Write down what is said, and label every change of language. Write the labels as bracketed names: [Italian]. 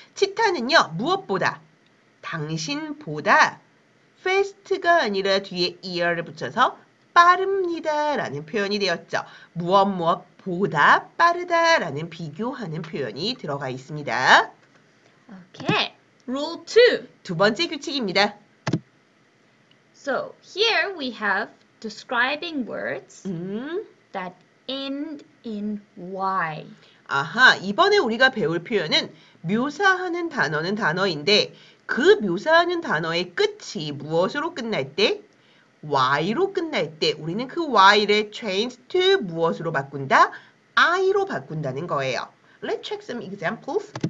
[Korean] 치타는요, 무엇보다, 당신보다, fast가 아니라 뒤에 ER를 붙여서 빠릅니다 라는 표현이 되었죠. 무엇무엇보다 빠르다 라는 비교하는 표현이 들어가 있습니다. [English] Okay. Rule 2. [Korean] 두 번째 규칙입니다. [English] So, here we have describing words that end in Y. [Korean] 아하, 이번에 우리가 배울 표현은 묘사하는 단어는 단어인데 그 묘사하는 단어의 끝이 무엇으로 끝날 때? Y로 끝날 때 우리는 그 Y를 [English] change to [Korean] 무엇으로 바꾼다? I로 바꾼다는 거예요. [English] Let's check some examples.